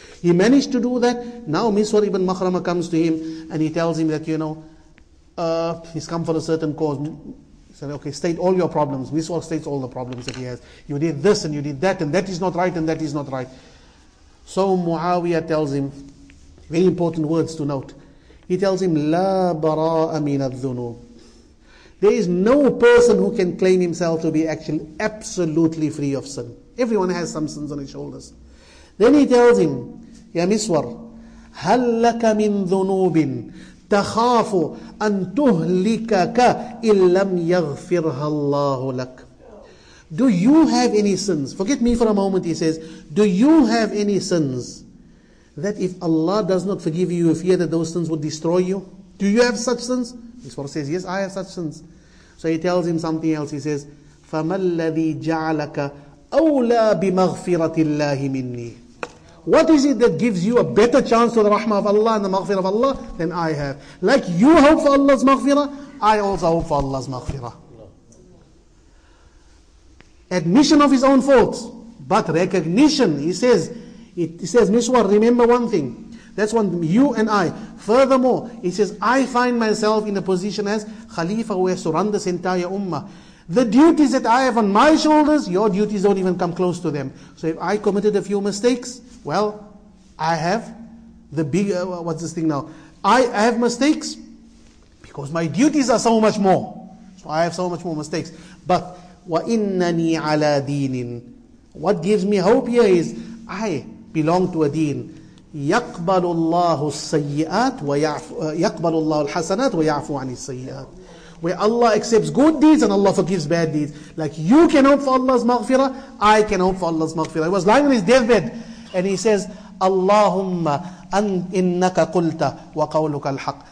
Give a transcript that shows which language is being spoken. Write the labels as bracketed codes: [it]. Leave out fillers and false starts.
[en] He managed to do that. Now Miswar ibn Makhrama comes to him, and he tells him that, you know, he's come for a certain cause. He said, okay, state all your problems. Miswar states all the problems that he has. You did this and you did that, and that is not right and that is not right. So Muawiyah tells him, very important words to note. [ar] He tells him, لا براء من الذنوب. [en] There is no person who can claim himself to be actually absolutely free of sin. Everyone has some sins on his shoulders. [ar] Then he tells him, يا Miswar, هل لك من ذنوب تخاف أن تهلكك إن لم يغفرها الله لك. [en] Do you have any sins? Forget me for a moment, he says. Do you have any sins that if Allah does not forgive you, you fear that those sins would destroy you? Do you have such sins? Miswar says, yes, I have such sins. So he tells him something else. [ar] He says, فَمَا الَّذِي جَعَلَكَ أَوْلَى بِمَغْفِرَةِ اللَّهِ مِنِّي. [en] What is it that gives you a better chance to the rahmah of Allah and the maghfirah of Allah than I have? Like you hope for Allah's maghfirah, I also hope for Allah's maghfirah. Admission of his own faults, but recognition. He says, Miswar, remember one thing. That's one, you and I. Furthermore, he says, I find myself in a position as Khalifa who has surrounded this entire ummah. The duties that I have on my shoulders, your duties don't even come close to them. So if I committed a few mistakes, well, I have the big, what's this thing now? I have mistakes because my duties are so much more. So I have so much more mistakes. [ar] But وَإِنَّنِي عَلَىٰ دِينٍ. [en] What gives me hope here is, I belong to a deen. [ar] يَقْبَلُ اللَّهُ السَّيِّئَاتِ يَقْبَلُ اللَّهُ الْحَسَنَاتِ وَيَعْفُ عَنِ السَّيِّئَاتِ. [en] Where Allah accepts good deeds and Allah forgives bad deeds. Like you can hope for Allah's maghfirah, I can hope for Allah's maghfirah. He was lying on his deathbed and he says, Allahumma an innaka qulta wa qawluka al-haq.